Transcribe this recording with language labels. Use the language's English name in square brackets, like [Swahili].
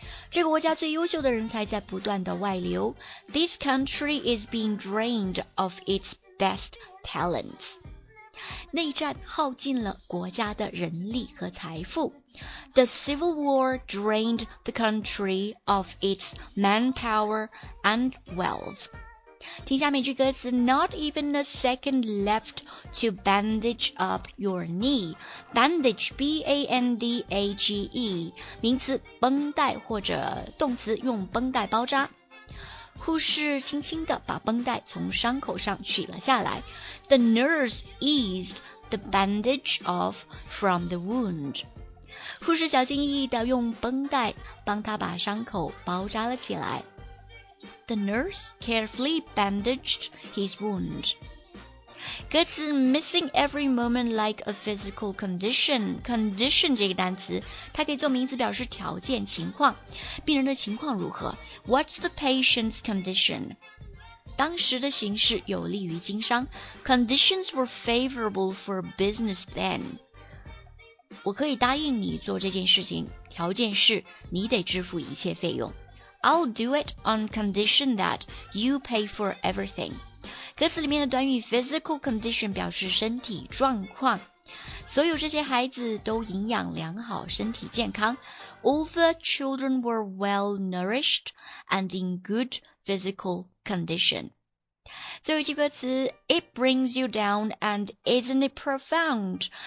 [Chinese] 这个国家最优秀的人才在不断的外流。 [English] This country is being drained of its best talents。 [Chinese] 内战耗尽了国家的人力和财富。 [English] The Civil War drained the country of its manpower and wealth. [Chinese] 听下面这歌词 [English] Not even a second left to bandage up your knee. [Chinese] Bandage, B-A-N-D-A-G-E. 名词绷带或者动词用绷带包扎。护士轻轻地把绷带从伤口上取了下来。 [English] The nurse eased the bandage off from the wound. [Chinese] 护士小心翼翼地用绷带帮他把伤口包扎了起来。 [English] The nurse carefully bandaged his wound. 歌词 missing every moment like a physical condition. [Chinese] Condition 这个单词，它可以做名词表示条件、情况。病人的情况如何 ？ [English] What's the patient's condition? [Chinese] 当时的形势有利于经商。 [English] Conditions were favorable for business then. [Chinese] 我可以答应你做这件事情，条件是你得支付一切费用。 [English] I'll do it on condition that you pay for everything. [Chinese] 歌词里面的短语 physical condition 表示身体状况。所有这些孩子都营养良好，身体健康。 [English] All the children were well nourished and in good physical condition. [Chinese] 最后一句歌词 [English] It brings you down and isn't it profound?